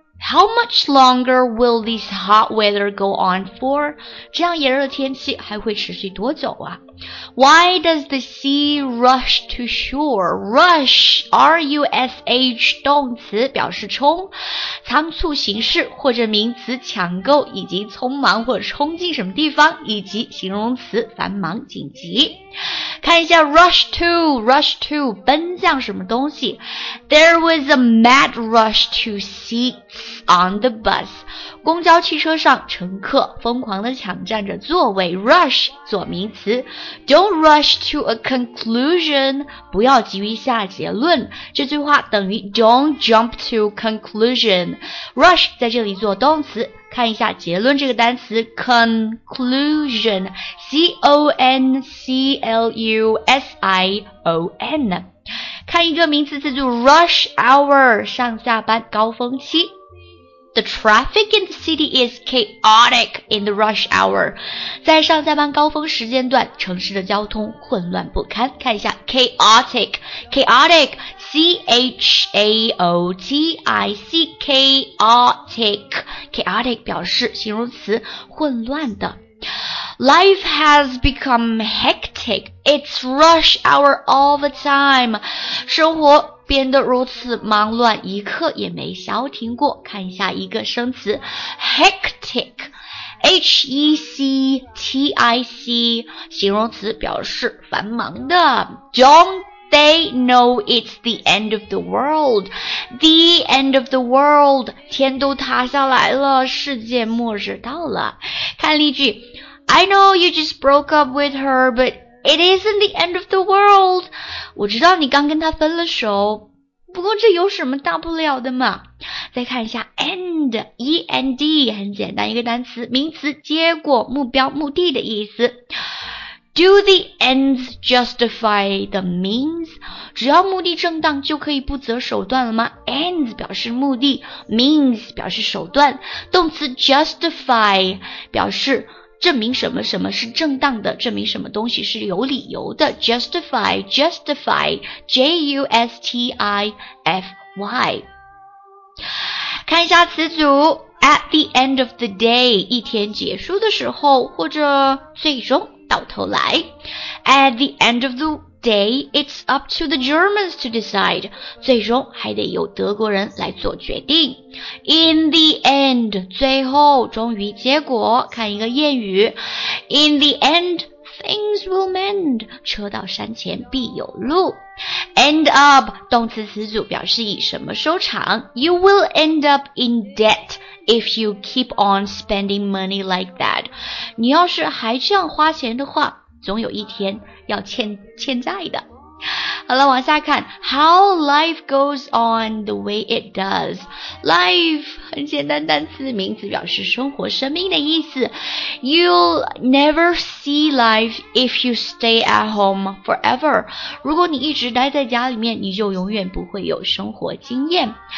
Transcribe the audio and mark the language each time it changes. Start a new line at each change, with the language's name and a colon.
English: How much longer will this hot weather go on for?
Chinese: 这样炎热的天气还会持续多久啊？
English: Why does the sea rush to shore?
Chinese: Rush, R-U-S-H, 动词表示冲，仓促行事或者名词抢购以及匆忙或者冲进什么地方，以及形容词繁忙紧急。看一下 rush to 奔向什么东西。
English: There was a mad rush to seats on the bus.
Chinese: 公交汽车上乘客疯狂地抢占着座位。
English: rush
Chinese: 做名词。
English: Don't rush to a conclusion.
Chinese: 不要急于下结论。这句话等于
English: don't jump to conclusion.
Chinese: rush 在这里做动词。看一下结论这个单词 conclusion, C-O-N-C-L-U-S-I-O-N。看一个名词词组 rush hour, 上下班高峰期。
English: The traffic in the city is chaotic in the rush hour.
Chinese: 在上下班高峰时间段，城市的交通混乱不堪。看一下 chaotic, chaotic, C-H-A-O-T-I-C, chaotic, chaotic 表示形容词混乱的。
English: Life has become hectic. It's rush hour all the time.
Chinese: 生活变得如此忙乱，一刻也没消停过。看一下一个生词 ,hectic, H-E-C-T-I-C, 形容词表示繁忙的。
English: Don't they know it's the end of the world? The end of the world,
Chinese: 天都塌下来了，世界末日到了。看例句
English: I know you just broke up with her, but it isn't the end of the world.
Chinese: 我知道你刚跟她分了手，不过这有什么大不了的嘛。再看一下 end, E-N-D, 很简单一个单词，名词，结果，目标，目的的意思。
English: Do the ends justify the means?
Chinese: 只要目的正当就可以不择手段了吗？ Ends 表示目的， means 表示手段，动词 justify 表示证明什么什么是正当的，证明什么东西是有理由的。
English: Justify, justify, J-U-S-T-I-F-Y。
Chinese: 看一下词组
English: At the end of the day,
Chinese: 一天结束的时候，或者最终到头来。
English: At the end of the day, it's up to the Germans to decide.
Chinese: 最终还得由德国人来做决定。
English: In the end,
Chinese: 最后终于结果，看一个谚语。
English: In the end, things will mend.
Chinese: 车到山前必有路。 End up, 动词词组表示以什么收场。
English: You will end up in debt if you keep on spending money like that.
Chinese: 你要是还这样花钱的话，总有一天要欠债的。好了，往下看
English: How life goes on the way it does.
Chinese: Life 很简单单词，名词表示生活生命的意思。
English: You'll never see life if you stay at home forever.
Chinese: 如果你一直待在家里面，你就永远不会有生活经验。